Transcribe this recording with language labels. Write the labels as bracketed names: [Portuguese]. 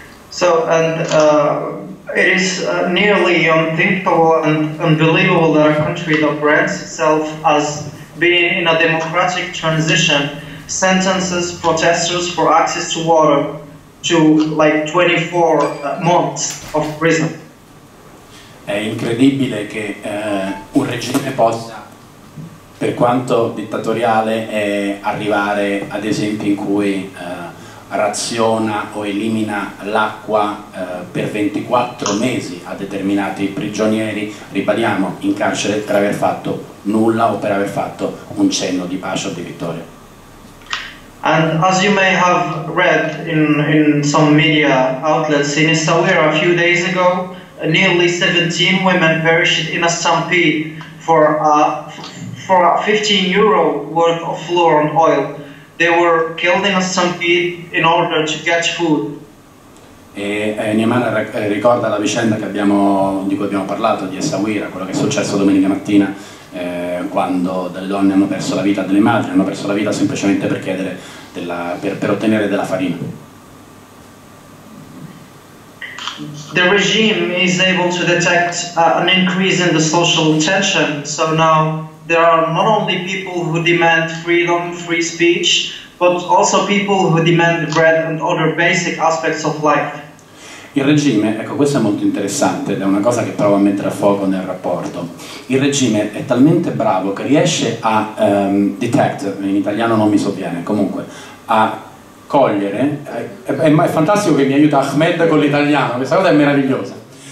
[English] So, and it is nearly unthinkable and unbelievable that a country that brands itself as being in a democratic transition sentences protesters for access to water to like 24 months of prison. [Italian] È incredibile che un regime possa, per quanto dittatoriale, arrivare ad esempi in cui raziona o elimina l'acqua per 24 mesi a determinati prigionieri, ribadiamo, in carcere per aver fatto nulla o per aver fatto un cenno di pace o di vittoria. [English] And as you may have read in some media outlets, in Essaouira a few days ago, nearly 17 women perished in a stampede for a 15 euro worth of flour and oil. They were killed in a stampede in order to get food. [Italian] E Niemann ricorda la vicenda che abbiamo, di cui abbiamo parlato, di Essaouira, quello che è successo domenica mattina, quando delle donne hanno perso la vita, delle madri hanno perso la vita semplicemente per chiedere per ottenere della farina. [English] The regime is able to detect an increase in the social tension, so now there are not only people who demand freedom, free speech, but also people who demand bread and other basic aspects of life. [Italian] Il regime, ecco, questo è molto interessante ed è una cosa che provo a mettere a fuoco nel rapporto. Il regime è talmente bravo che riesce a detect, in italiano non mi sovviene, comunque, a cogliere, è fantastico che mi aiuta Ahmed con l'italiano, questa cosa è meravigliosa.